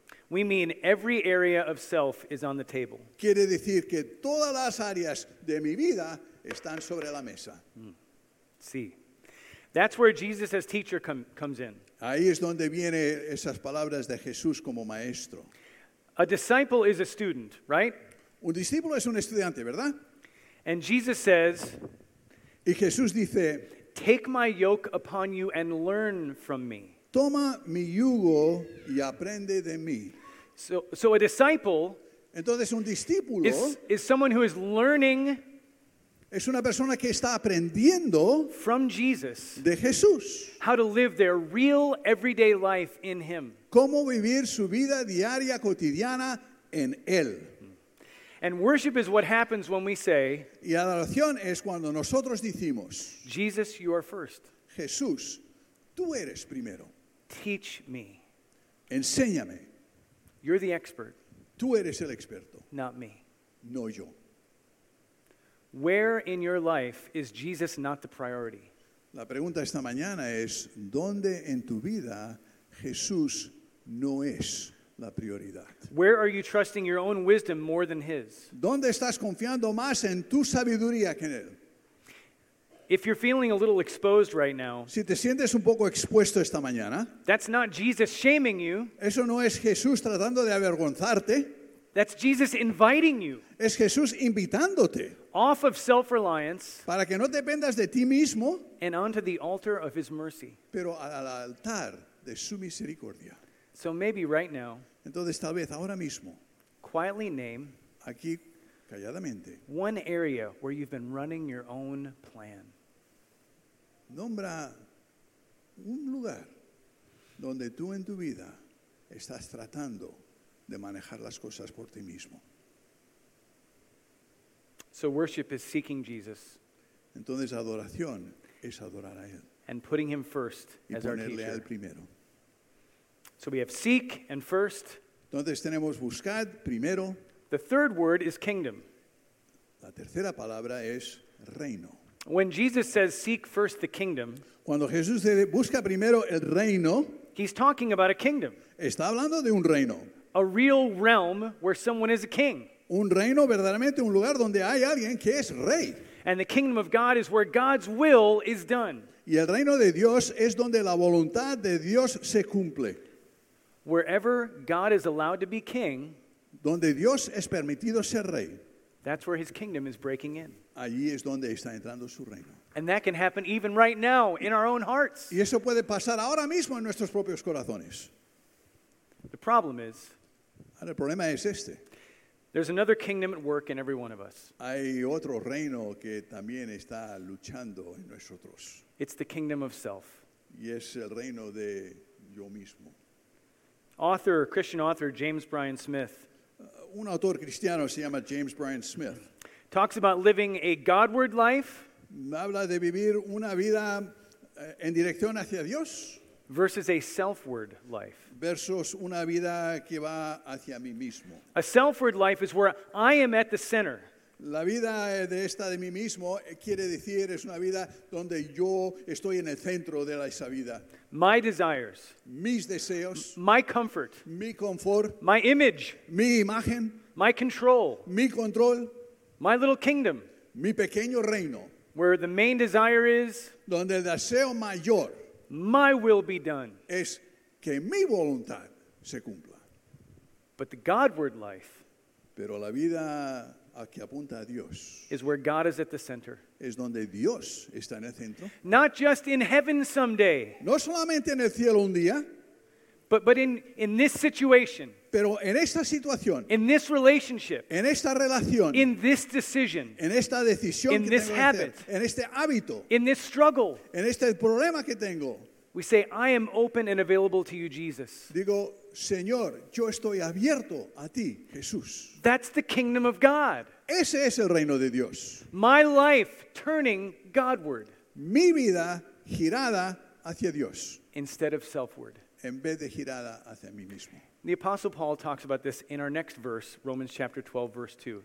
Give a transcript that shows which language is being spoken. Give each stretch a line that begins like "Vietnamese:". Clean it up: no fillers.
English: we mean every area of self is on the table.
Spanish: Quiere decir que todas las áreas de mi vida están sobre la mesa. Sí.
English: That's where Jesus as teacher comes in.
Spanish: Ahí es donde vienen esas palabras de Jesús como maestro.
English: A disciple is a student, right?
Spanish: Un discípulo es un estudiante, ¿verdad?
English: And Jesus says,
Spanish: y Jesús dice,
English: take my yoke upon you and learn from me.
Spanish: Toma mi yugo y aprende de mí.
English: So a disciple,
Spanish: entonces un discípulo,
English: is someone who is learning,
Spanish: es una persona que está aprendiendo
English: from Jesus,
Spanish: de Jesús,
English: how to live their real everyday life in Him.
Spanish: Cómo vivir su vida diaria cotidiana en Él.
English: And worship is what happens when we say,
Spanish: y adoración es cuando nosotros decimos,
English: Jesus, you are first.
Spanish: Jesús, tú eres primero.
English: Teach me.
Spanish: Enséñame.
English: You're the expert.
Spanish: Tú eres el experto.
English: Not me.
Spanish: No yo.
English: Where in your life is Jesus not the priority?
Spanish: La pregunta esta mañana es, ¿dónde en tu vida Jesús no es la prioridad?
English: Where are you trusting your own wisdom more than His?
Spanish: ¿Dónde estás confiando más en tu sabiduría que en Él?
English: If you're feeling a little exposed right now,
Spanish: si te sientes un poco expuesto esta mañana,
English: that's not Jesus shaming you.
Spanish: Eso no es Jesús tratando de avergonzarte.
English: That's Jesus inviting you.
Spanish: Es Jesús invitándote.
English: Off of self-reliance.
Spanish: Para que no dependas de ti mismo.
English: And onto the altar of His mercy.
Spanish: Pero al altar de su misericordia.
English: So maybe right now.
Spanish: Entonces tal vez ahora mismo.
English: Quietly name.
Spanish: Aquí calladamente.
English: One area where you've been running your own plan.
Spanish: Nombra un lugar donde tú en tu vida estás tratando de manejar las cosas por ti mismo.
English: So worship is seeking Jesus.
Spanish: Entonces adoración es adorar a Él.
English: and putting him first as our teacher.
Spanish: Y ponerle al primero.
English: So we have seek and first.
Spanish: Entonces tenemos buscad primero.
English: The third word is kingdom.
Spanish: La tercera palabra es reino.
English: When Jesus says seek first the kingdom,
Spanish: cuando Jesús dice busca primero el reino,
English: he's talking about a kingdom.
Spanish: Está hablando de un reino.
English: A real realm where someone is a king.
Spanish: Un reino verdaderamente un lugar donde hay alguien que es rey.
English: And the kingdom of God is where God's will is done.
Spanish: Y el reino de Dios es donde la voluntad de Dios se cumple.
English: Wherever God is allowed to be king,
Spanish: donde Dios es permitido ser rey,
English: that's where his kingdom is breaking in.
Spanish: Allí es donde está entrando su reino.
English: And that can happen even right now in our own hearts.
Spanish: Y eso puede pasar ahora mismo en nuestros propios corazones.
English: The problem is,
Spanish: ahora el problema es este.
English: There's another kingdom at work in every one of us.
Spanish: Hay otro reino que también está luchando en nosotros.
English: It's the kingdom of self.
Spanish: Y es el reino de yo mismo.
English: Author, Christian author James Brian Smith.
Spanish: Un autor cristiano se llama James Brian Smith.
English: Talks about living a Godward life.
Spanish: Habla de vivir una vida en dirección hacia Dios.
English: Versus a selfward life.
Spanish: Versus una vida que va hacia mí mismo.
English: A selfward life is where I am at the center.
Spanish: La vida de esta de mí mismo quiere decir es una vida donde yo estoy en el centro de esa vida.
English: My desires.
Spanish: Mis deseos.
English: My comfort.
Spanish: Mi confort.
English: My image.
Spanish: Mi imagen.
English: My control.
Spanish: Mi control.
English: My little kingdom.
Spanish: Mi pequeño reino.
English: Where the main desire is.
Spanish: Donde el deseo mayor.
English: My will be done.
Spanish: Es que mi voluntad se cumpla.
English: But the Godward life.
Spanish: Pero la vida a que apunta a Dios.
English: Is where God is at the center.
Spanish: Es donde Dios está en el centro.
English: Not just in heaven someday.
Spanish: No solamente en el cielo un día.
English: But in this situation.
Spanish: Pero en esta situación.
English: In this relationship.
Spanish: En esta relación.
English: In this decision.
Spanish: En esta decisión
English: in
Spanish: que
English: this
Spanish: tengo
English: habit,
Spanish: hacer, en este hábito.
English: In this struggle.
Spanish: En este problema que tengo.
English: We say, I am open and available to you, Jesus.
Spanish: Digo, Señor, yo estoy abierto a ti, Jesús.
English: That's the kingdom of God.
Spanish: Ese es el reino de Dios.
English: My life turning Godward.
Spanish: Mi vida girada hacia Dios.
English: Instead of selfward.
Spanish: En vez de girada hacia mí mismo.
English: The Apostle Paul talks about this in our next verse, Romans chapter 12, verse 2.